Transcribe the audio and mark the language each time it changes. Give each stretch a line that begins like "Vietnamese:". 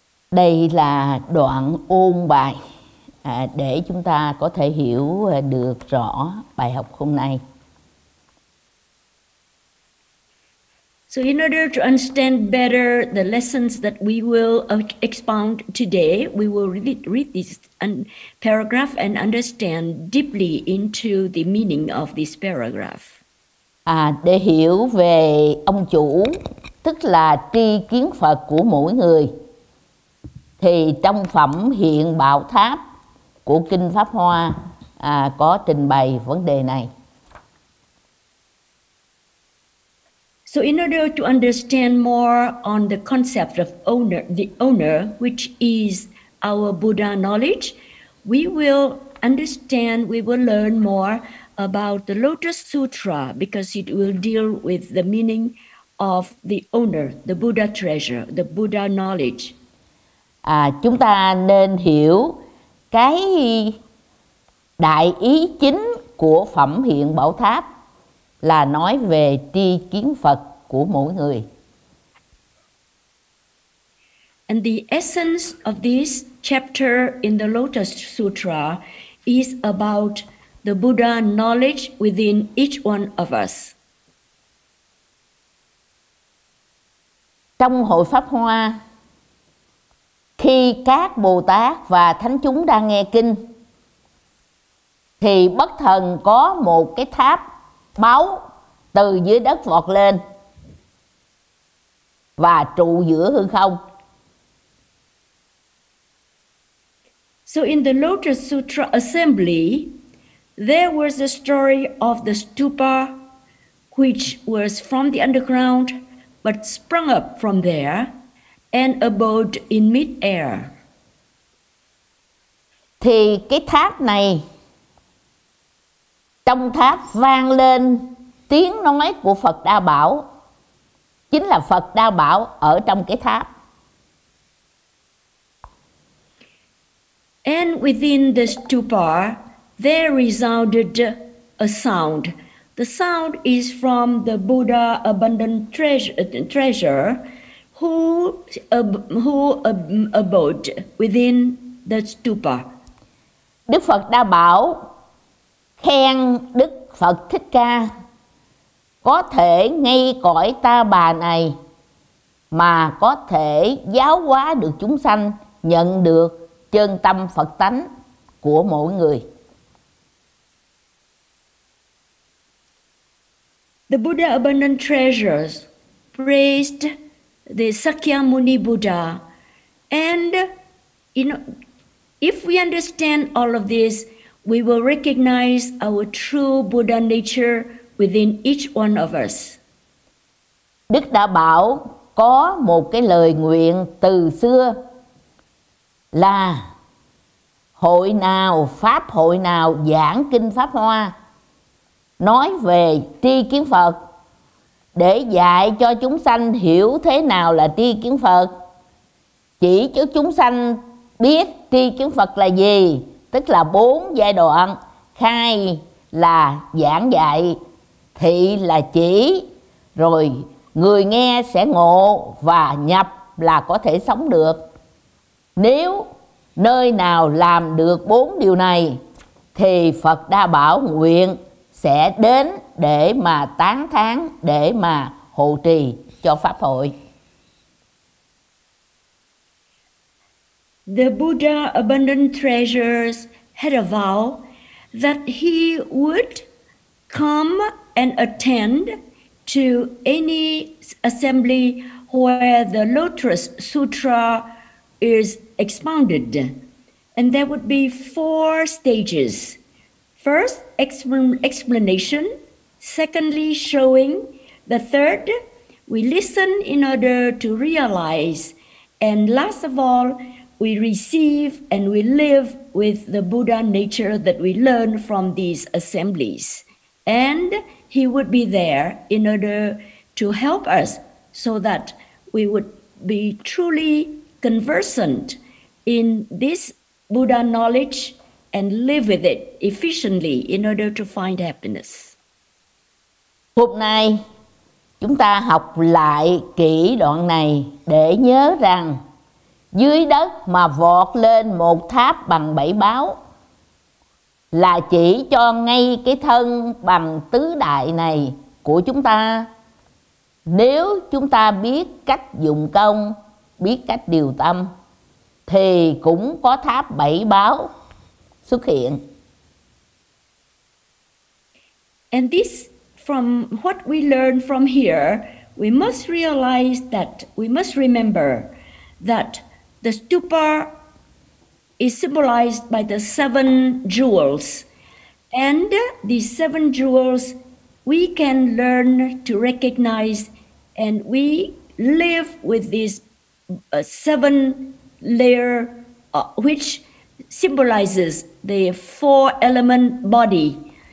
Vietnamese: Đây là đoạn ôn bài để chúng ta có thể hiểu được rõ bài học hôm nay.
English: So in order to understand better the lessons that we will expound today, we will read this paragraph and understand deeply into the meaning of this paragraph.
Vietnamese: Để hiểu về ông chủ, tức là tri kiến Phật của mỗi người, thì trong phẩm Hiện Bảo Tháp của Kinh Pháp Hoa có trình bày vấn đề này.
English: So in order to understand more on the concept of owner, the owner, which is our Buddha knowledge, we will understand, we will learn more about the Lotus Sutra, because it will deal with the meaning of the owner, the Buddha treasure, the Buddha knowledge.
Vietnamese: Chúng ta nên hiểu cái đại ý chính của phẩm Hiện Bảo Tháp là nói về tri kiến Phật của mỗi người.
English: And the essence of this chapter in the Lotus Sutra is about the Buddha knowledge within each one of us.
Vietnamese: Trong hội Pháp Hoa, khi các Bồ Tát và Thánh chúng đang nghe kinh, thì bất thần có một cái tháp báu từ dưới đất vọt lên và trụ giữa hư không.
English: So in the Lotus Sutra assembly, there was a story of the stupa which was from the underground but sprung up from there and abode in mid-air.
Vietnamese: Thì cái tháp này, trong tháp vang lên tiếng nói của Phật Đa Bảo, chính là Phật Đa Bảo ở trong cái tháp.
English: And within the stupa, there resounded a sound. The sound is from the Buddha abundant treasure, who abode within the stupa.
Vietnamese: Đức Phật Đa Bảo khen Đức Phật Thích Ca có thể ngay cõi ta bà này mà có thể giáo hóa được chúng sanh, nhận được chân tâm Phật tánh của mỗi người.
English: The Buddha abundant treasures praised the Sakyamuni Buddha, and you know, if we understand all of this, we will recognize our true Buddha nature within each one of us.
Vietnamese: Đức Đa Bảo có một cái lời nguyện từ xưa là hội nào, pháp hội nào giảng kinh Pháp Hoa nói về tri kiến Phật, để dạy cho chúng sanh hiểu thế nào là tri kiến Phật, chỉ cho chúng sanh biết tri kiến Phật là gì, tức là bốn giai đoạn: khai là giảng dạy, thị là chỉ, rồi người nghe sẽ ngộ, và nhập là có thể sống được. Nếu nơi nào làm được bốn điều này thì Phật đã bảo nguyện sẽ đến để mà tán thán, để mà hộ trì cho pháp hội.
English: The Buddha abundant treasures had a vow that he would come and attend to any assembly where the Lotus Sutra is expounded. And there would be four stages. First, explanation. Secondly, showing. The third, we listen in order to realize. And last of all, we receive and we live with the Buddha nature that we learn from these assemblies. And he would be there in order to help us so that we would be truly conversant in this Buddha knowledge and live with it efficiently in order to find happiness.
Vietnamese: Hôm nay chúng ta học lại kỹ đoạn này để nhớ rằng dưới đất mà vọt lên một tháp bằng bảy báo là chỉ cho ngay cái thân bằng tứ đại này của chúng ta. Nếu chúng ta biết cách dụng công, biết cách điều tâm, thì cũng có tháp bảy báo xuất hiện.
English: And this, from what we learn from here, we must realize that, we must remember that the stupa is symbolized by the seven jewels. And these seven jewels, we can learn to recognize and we live with these seven layer, which symbolizes the four element body.